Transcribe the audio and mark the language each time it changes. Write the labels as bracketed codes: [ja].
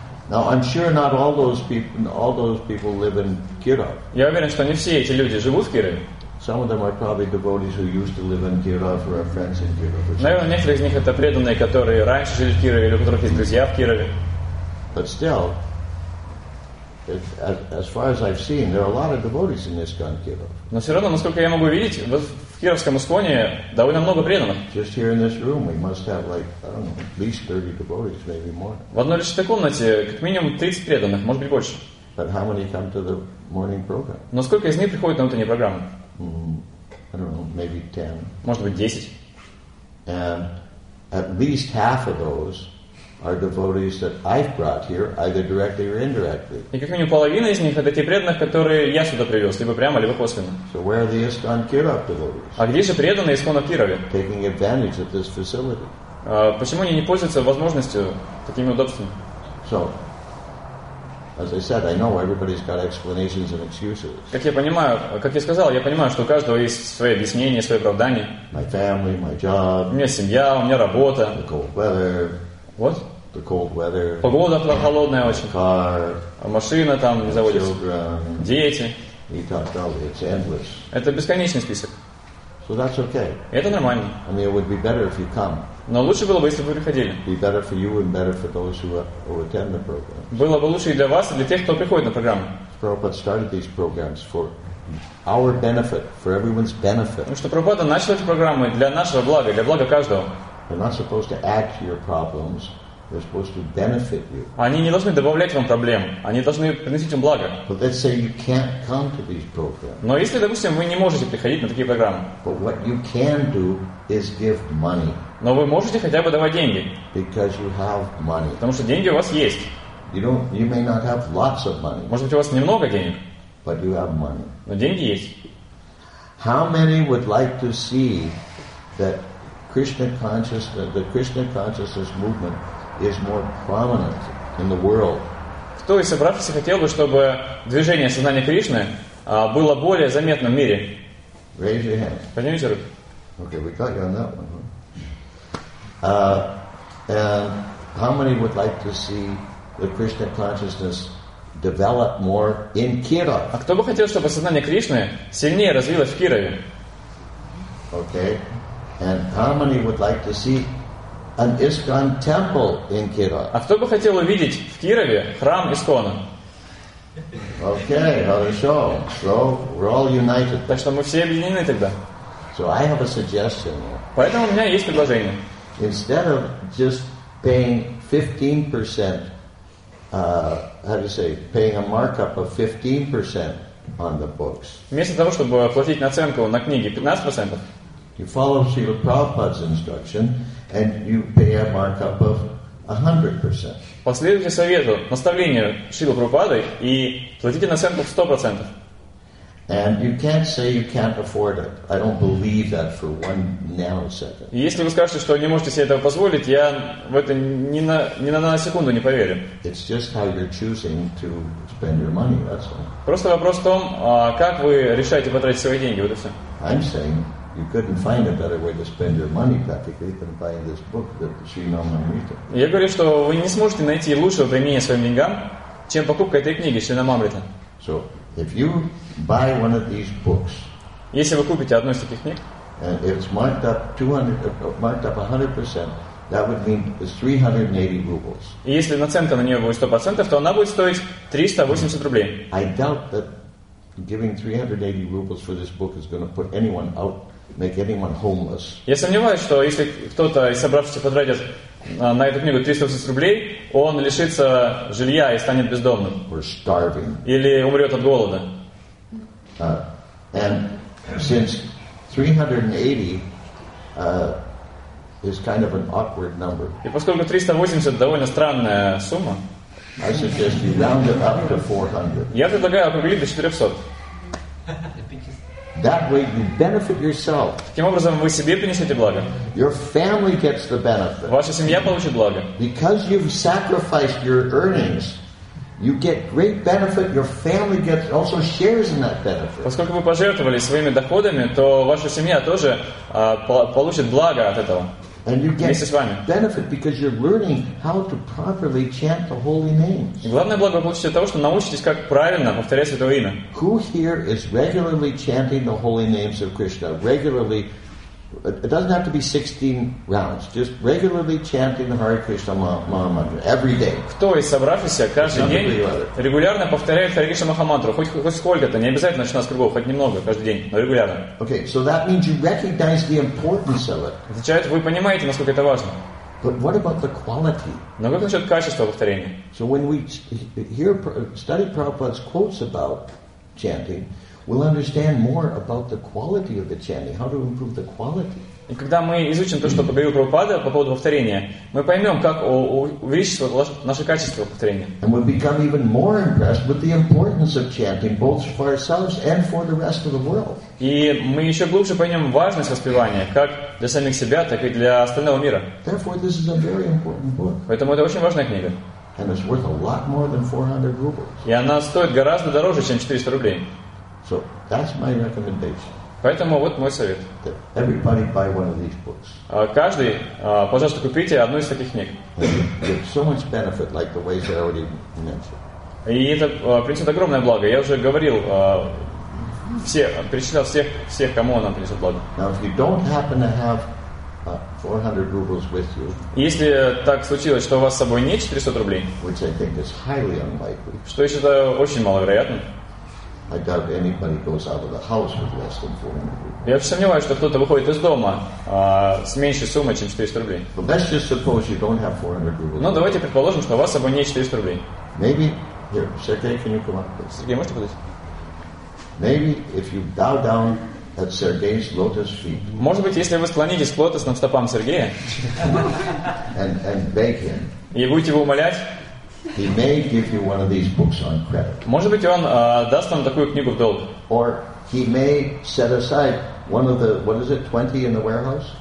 [en] Now I'm sure not all those people live in Kirov. [ru] Я уверен, что не все эти люди живут в Кирове. [en] Some of them are probably devotees who used to live in Kirov or are friends in Kirov. [ru] Наверное, некоторые из них это преданные, которые раньше жили в Кирове или у которых есть друзья в Кирове. [en] But still, as far as I've seen, there are a lot of devotees in ISKCON Kirov. [ru] Но все равно, насколько я могу видеть, вот в Кировском ИСКОНе довольно много преданных. [en] Just here in this room, we must have like I don't know, at least 30 devotees, maybe more. [ru] В одной лишь этой комнате как минимум 30 преданных, может быть больше. [en] But how many come to the morning program? [ru] Но сколько из них приходит на утреннюю программу? [en] I don't know, maybe 10. [ru] Может быть 10. [en] And at least half of those are devotees that I've brought here, either directly or indirectly. [ru] И как минимум половина из них это те преданные, которые я сюда привез, либо прямо, либо косвенно. [en] So where are the ISKCON Kirov devotees? [ru] А где же преданные ИСКОНа Кирове? [en] Taking advantage of this facility. [ru] Почему они не пользуются возможностью такими удобствами? [en] So, as I said, I know everybody's got explanations and excuses. [ru] Как я сказал, я понимаю, что у каждого есть свои объяснения, свои оправдания. [en] My family, my job. [ru] У меня семья, у меня работа. [en] The cold weather. What? The cold weather. [ru] Погода холодная очень. [en] Car. [ru] Машина там не заводится. [en] Children. [ru] Дети. [en] He talked about it. It's endless. [ru] Это бесконечный список. [en] So that's okay. [ru] Это нормально. [en] I mean, it would be better if you come. [ru] Но лучше было бы, если бы вы приходили. [en] Be better for you and better for those who attend the program. [ru] Было бы лучше и для вас, и для тех, кто приходит на программу. [en] Prabhupada started these programs for our benefit, for everyone's benefit. [ru] Потому что Прабхупада начал эти программы для нашего блага, для блага каждого. [en] They're not supposed to add to your problems, They're supposed to benefit you. [ru] Они не должны добавлять вам проблем. Они должны приносить вам благо. [en] But let's say you can't come to these programs. [ru] Но если, допустим, вы не можете приходить на такие программы. [en] But what you can do is give money. [ru] Но вы можете хотя бы давать деньги. [en] Because you have money. [ru] Потому что деньги у вас есть. [en] You may not have lots of money. [ru] Может быть, у вас немного денег. [en] But you have money. [ru] Но деньги есть. [en] How many would like to see that Krishna consciousness, the Krishna consciousness movement is more prominent in the world? [ru] Кто из собравшихся хотел бы, чтобы движение сознания Кришны было более заметным в мире? [en] Raise your hand. [ru] Поднимите руку. [en] Okay, we got you on that one. And how many would like to see the Krishna consciousness develop more in Kirov? [ru] А кто бы хотел, чтобы сознание Кришны сильнее развилось в Кирове? [en] Okay. And how many would like to see an ISKCON temple in Kirov? [ru] А кто бы хотел увидеть в Кирове храм ИСКОНа? [en] Okay, [ru] хорошо. [en] So we're all united. [ru] Так что мы все объединены тогда. [en] So I have a suggestion. [ru] Поэтому у меня есть предложение. [en] Instead of just paying 15%, paying a markup of 15% on the books. [ru] Вместо того, чтобы платить наценку на книги 15%. [en] You follow Srila Prabhupada's instruction and you pay a markup of 100%. [ru] Последуйте совету, наставлению Шрилы Прабхупады и платите наценку 100%. [en] And you can't say you can't afford it. I don't believe that for one nanosecond. [ru] Если вы скажете, что не можете себе этого позволить, я в это ни на секунду не поверю. [en] It's just how you're choosing to spend your money. That's all. [ru] Просто вопрос в том, как вы решаете потратить свои деньги, вот и все. [en] I'm saying you couldn't find a better way to spend your money practically than buying this book that she nominated. [ru] Я говорю, что вы не сможете найти лучшего применения своим деньгам, чем покупка этой книги Шрилы Прабхупады. [en] So if you buy one of these books, [ru] если вы купите одну из таких книг, [en] and it's marked up 100%, that would mean it's 380 rubles. [ru] И если наценка на нее будет 100%, то она будет стоить 380 рублей. [en] I doubt that giving 380 rubles for this book is going to put anyone out, make anyone homeless. [ru] Я сомневаюсь, что если кто-то из собравшихся потратит на эту книгу 380 рублей, он лишится жилья и станет бездомным. [en] Or starving. [ru] Или умрет от голода. [en] And since 380 is kind of an awkward number, [ru] и поскольку 380 довольно странная сумма, [en] I suggest you round it up to 400. [ru] Я предлагаю округлить до 400. [en] That way you benefit yourself. [ru] Таким образом, вы себе принесете благо. [en] Your family gets the benefit. [ru] Ваша семья получит благо. [en] Because you've sacrificed your earnings, you get great benefit. Your family gets also shares in that benefit. [ru] Поскольку вы пожертвовали своими доходами, то ваша семья тоже получит благо от этого. [en] And you get benefit because you're learning how to properly chant the holy names. [ru] И главное благо вы получите от того, что научитесь, как правильно повторять святое имя. [en] Who here is regularly chanting the holy names of Krishna? Regularly, it doesn't have to be 16 rounds. Just regularly chanting the Hare Krishna Mahamantra every day. [ru] Кто из собравшихся каждый день регулярно повторяет Hare Krishna Mahamantra? Хоть сколько-то, не обязательно 16 кругов, хоть немного каждый день, но регулярно. [en] Okay, so that means you recognize the importance of it. [ru] Означает, вы понимаете, насколько это важно. [en] But what about the quality? [ru] Но как насчет качества повторения? [en] So when we hear study Prabhupada's quotes about chanting, we'll understand more about the quality of the chanting, how to improve the quality. [ru] И когда мы изучим то, что поговорил Прабхупада по поводу повторения, мы поймем, как увеличить наше качество повторения. [en] And we'll become even more impressed with the importance of chanting, both for ourselves and for the rest of the world. [ru] И мы еще глубже поймем важность воспевания, как для самих себя, так и для остального мира. [en] Therefore, this is a very important book. [ru] Поэтому это очень важная книга. [en] And it's worth a lot more than 400 rubles. [ru] И она стоит гораздо дороже, чем 400 рублей. [en] So that's my recommendation. [ru] Поэтому вот мой совет. [en] Everybody buy one of these books. [ru] Каждый, пожалуйста, купите одну из таких книг. [en] So much benefit, like the ways I already mentioned. [ru] И это принесет огромное благо. Я уже говорил, перечислял всех, кому она принесет благо. [en] Now, if you don't happen to have 400 rubles with you. [ru] Если так случилось, что у вас с собой нет 400 рублей, [en] which I think is highly unlikely. [ru] Что я считаю очень маловероятным. [en] I doubt anybody goes out of the house with less than 400 rubles. [ru] Я сомневаюсь, что кто-то выходит из дома с меньшей суммой, чем 400 рублей. [en] But let's just suppose you don't have 400 rubles. [ru] Ну, давайте предположим, что у вас с собой нет 400 рублей. [en] Maybe, here, Sergey, can you come up, please? [ru] Сергей, можете подойти? [en] Maybe if you bow down at Sergey's lotus feet. [ru] Может быть, если вы склонитесь к лотосным стопам Сергея [en] and beg him. [ru] И будете его умолять. [en] He may give you one of these books on credit. [ru] Может быть, он даст вам такую книгу в долг. [en] Or he may set aside one of the, what is it, 20 in the warehouse?